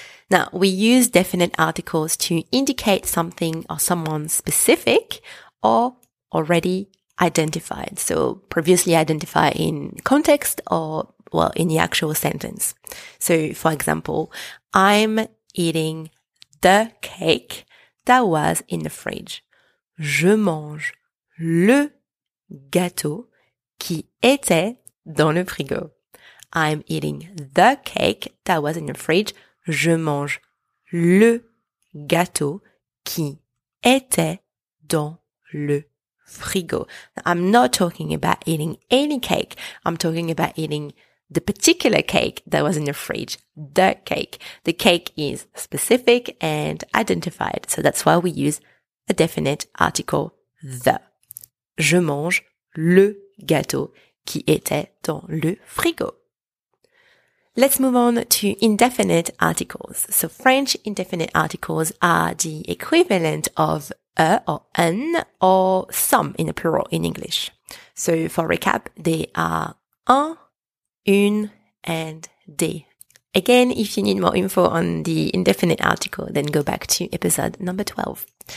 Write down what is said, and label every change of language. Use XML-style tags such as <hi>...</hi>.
<en>Now, we use definite articles to indicate something or someone specific or already identified. So previously identified in context or, well, in the actual sentence. So, for example, I'm eating the cake that was in the fridge.</en> <fr>Je mange le gâteau qui était dans le frigo.</fr> <en>I'm eating the cake that was in the fridge.</en> <fr>Je mange le gâteau qui était dans le frigo.</fr> <en>I'm not talking about eating any cake. I'm talking about eating the particular cake that was in the fridge, the cake. The cake is specific and identified, so that's why we use a definite article, the.</en> <fr>Je mange le gâteau qui était dans le frigo.</fr> <en>Let's move on to indefinite articles. So French indefinite articles are the equivalent of a or an or some in the plural in English. So for recap, they are un, une and des. Again, if you need more info on the indefinite article, then go back to episode number 12.</en>